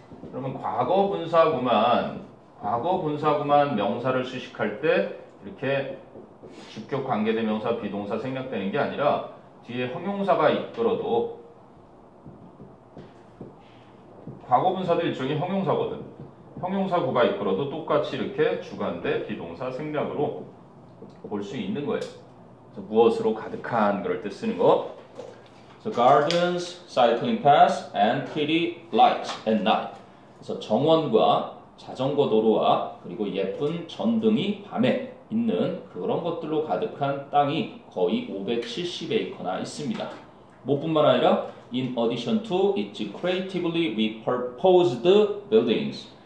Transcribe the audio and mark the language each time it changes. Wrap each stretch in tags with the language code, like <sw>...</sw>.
<ko>그러면 과거분사구만 명사를 수식할 때 이렇게 주격 관계대명사 비동사 생략되는 게 아니라 뒤에 형용사가 있더라도 과거분사도 일종의 형용사거든. 형용사구가 있더라도 똑같이 이렇게 주관대 비동사 생략으로 볼 수 있는 거예요. 그래서 무엇으로 가득한 그럴 때 쓰는 거.</ko> <en>So gardens, cycling paths, and pretty lights at night.</en> <ko>그래서 정원과 자전거 도로와 그리고 예쁜 전등이 밤에 있는 그런 것들로 가득한 땅이 거의 570에이커나 있습니다. 뭐뿐만 아니라</ko> <en>in addition to its creatively repurposed buildings.</en>